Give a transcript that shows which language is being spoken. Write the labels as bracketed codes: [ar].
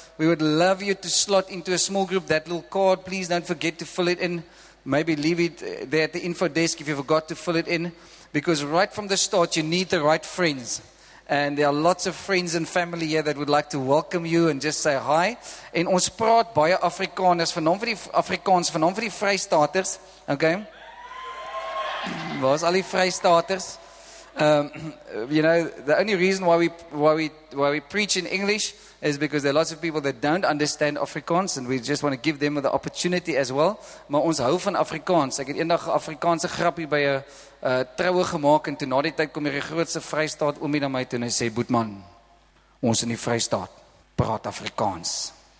[en] We would love you to slot into a small group. That little card, please don't forget to fill it in. Maybe leave it there at the info desk if you forgot to fill it in. Because right from the start, you need the right friends. And there are lots of friends and family here that would like to welcome you and just say hi. [af] En ons praat baie Afrikaners, vanaam vir die Afrikaans, vanaam vir die Vrystaters. Okay? Waar is al die Vrystaters? [en] You know, the only reason why we preach in English is because there are lots of people that don't understand Afrikaans, and we just want to give them the opportunity as well. [af] Maar ons hou van Afrikaans. Ek het eendag 'n Afrikaanse grappie by 'n troue gemaak, en toe na die tyd kom hier die grootste Vrystaat oomie na my toe en hy sê, "Boetman, ons in die Vrystaat praat Afrikaans.